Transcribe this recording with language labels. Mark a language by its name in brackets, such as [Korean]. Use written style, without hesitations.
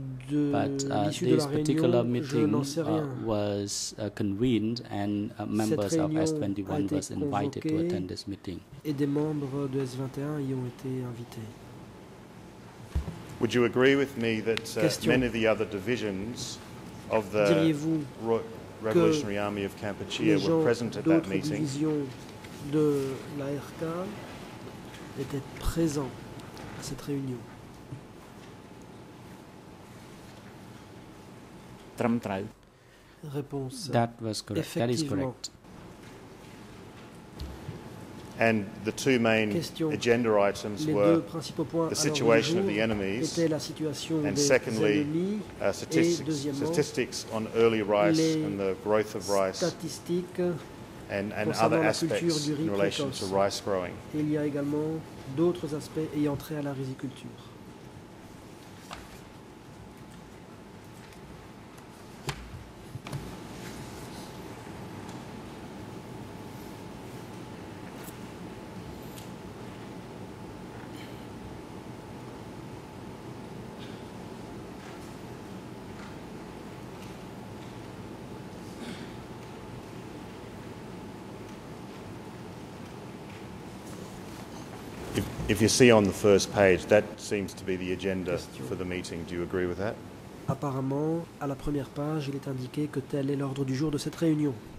[English] But this particular meeting was convened and members of S21 was invited to attend this meeting. [French] Et des membres de S21 y ont été invités. [English] Would you agree with me that many of the other divisions of the Revolutionary Army of Kampuchea were present at that meeting? [French] De la RK était présent à cette réunion. Réponse. [English] That was correct. That is correct. And the two main agenda items were the situation of the enemies and secondly, statistics on early rice and the growth of rice. And other aspects in relation to rice growing. [French] Il y a également d'autres aspects ayant trait à la riziculture. [English] If you see on the first page, that seems to be the agenda for the meeting. Do you agree with that? [French] Apparemment, à la première page, il est indiqué que tel est l'ordre du jour de cette réunion.